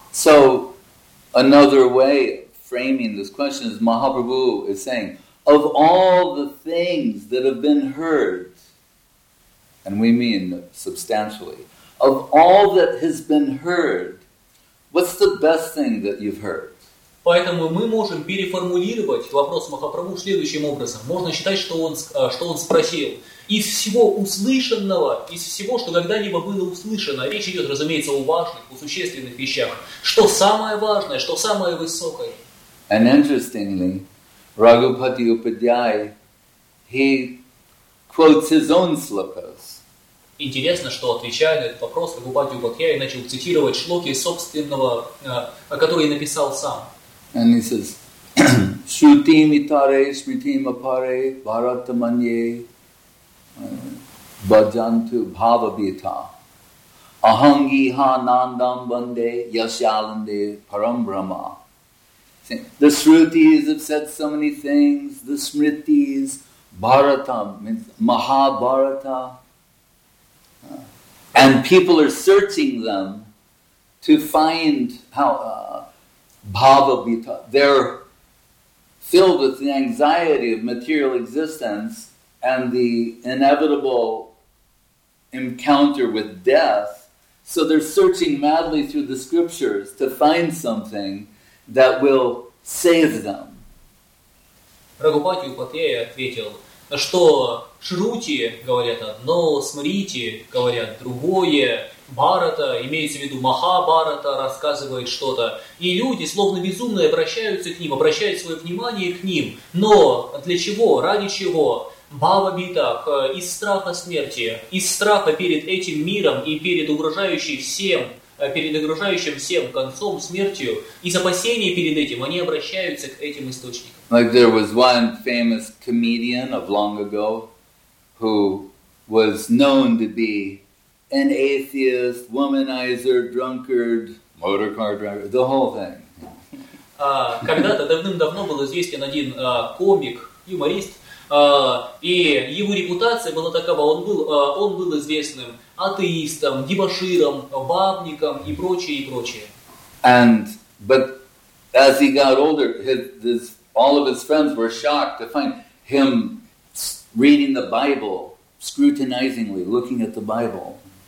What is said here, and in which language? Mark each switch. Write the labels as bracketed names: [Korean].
[English] So, another way framing this question is Mahaprabhu is saying, of all the things that have been heard, and we mean substantially, of all that has been heard, what's the best thing that you've heard? [Russian] Поэтому мы можем переформулировать вопрос Махапрабху следующим образом. Можно считать, что он спросил. Из всего услышанного, из всего, что когда-либо было услышано, речь идет, разумеется, о важных, о существенных вещах. Что самое важное, что самое высокое? [English] And interestingly, Raghupati Upadhyay, he quotes his own slokas. [Russian] Интересно, что отвечая на этот вопрос, Раghupati Upadhyay начал цитировать шлоки собственного, которые написал сам. [English] And he says, [Sanskrit] Shruti mitare, smriti mapare, bharatamanye, bhajantu bhavabhita, ahangi ha nandam bande, yashyalande, param brahma. [English] The Shrutis have said so many things, the Smritis, Bharata means Mahabharata, and people are searching them to find how Bhavabhita. They're filled with the anxiety of material existence and the inevitable encounter with death, so they're searching madly through the scriptures to find something that will save them. [Russian] Раghупати Упадхьяя ответил, что Шрути говорят одно, Смрити говорят другое, Бхарата, имеется в виду Махабхарата, рассказывает что-то. И люди, словно безумные, обращаются к ним, обращают свое внимание к ним. Но для чего? Ради чего? Бхавабита, из страха смерти, из страха перед этим миром и перед угрожающим всем, перед окружающим всем концом, смертью, из опасений перед этим, они обращаются к этим источникам. [English] Like there was one famous comedian of long ago, who was known to be an atheist, womanizer, drunkard, motor car driver, the whole thing. [Russian] Когда-то давным-давно был известен один комик, юморист, и его репутация была такова, он был известным атеистом, дебоширом, бабником и прочее, и прочее. [English] And, but as he got older, all of his friends were shocked to find him reading the Bible, scrutinizingly looking at the Bible.